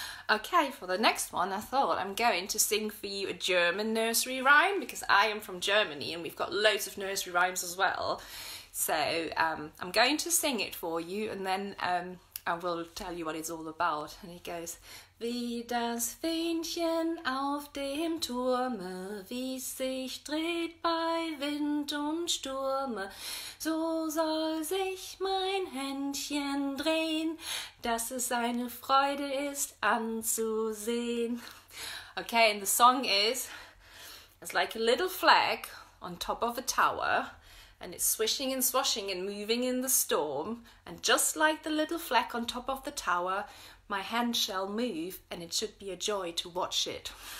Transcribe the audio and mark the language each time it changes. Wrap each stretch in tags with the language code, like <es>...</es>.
<en>Okay, for the next one, I thought I'm going to sing for you a German nursery rhyme because I am from Germany and we've got loads of nursery rhymes as well. So I'm going to sing it for you and then I will tell you what it's all about. And it goes,</en> <de>wie das Fähnchen auf dem Turme, wie sich dreht bei Wind und Sturme, so soll sich mein Händchen drehen, dass es eine Freude ist anzusehen.</de> <en>Okay, and the song is, it's like a little flag on top of a tower, and it's swishing and swashing and moving in the storm, and just like the little flag on top of the tower, my hand shall move, and it should be a joy to watch it.</en>